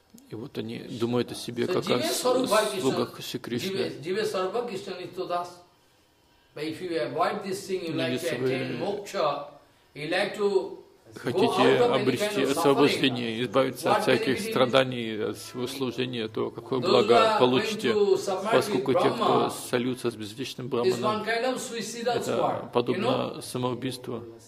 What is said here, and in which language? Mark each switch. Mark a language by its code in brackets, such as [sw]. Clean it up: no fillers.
[ru] И вот они думают о себе как о слугах Шри Кришны. [sa] Jive Sarva Krishna Nitya Das. [en] But if you avoid this thing, you like to attain moksha, you like to [ru] хотите обрести освобождение, избавиться от всяких страданий, от всего служения, то какое благо получите, поскольку те, кто сольются с безличным Брахманом, это подобно самоубийству.